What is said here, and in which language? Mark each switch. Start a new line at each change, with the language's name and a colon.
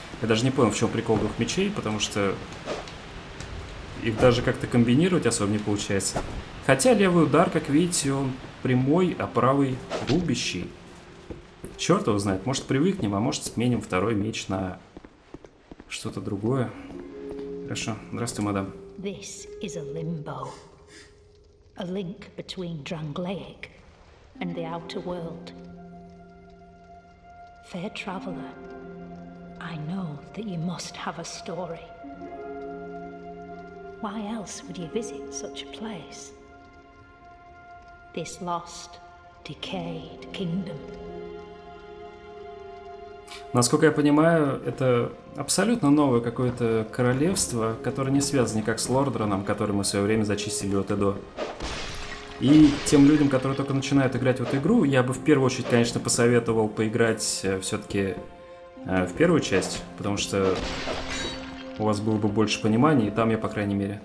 Russian: Я даже не понял, в чем прикол двух мечей, потому что... Их даже как-то комбинировать особо не получается. Хотя левый удар, как видите, он прямой, а правый рубящий. Черт его знает, может привыкнем, а может сменим второй меч на что-то другое. Хорошо, здравствуй, мадам.
English: This is a limbo. A link between Drangleic and the outer world. Fair traveler, I know that you must have a story. Why else would you visit such a place? this lost, decayed kingdom.
Russian: Насколько я понимаю, это абсолютно новое какое-то королевство, которое не связано никак с Лордраном, который мы в свое время зачистили от Эдо. И тем людям, которые только начинают играть в эту игру, я бы в первую очередь, конечно, посоветовал поиграть все-таки в первую часть, потому что у вас было бы больше понимания, и там я, по крайней мере...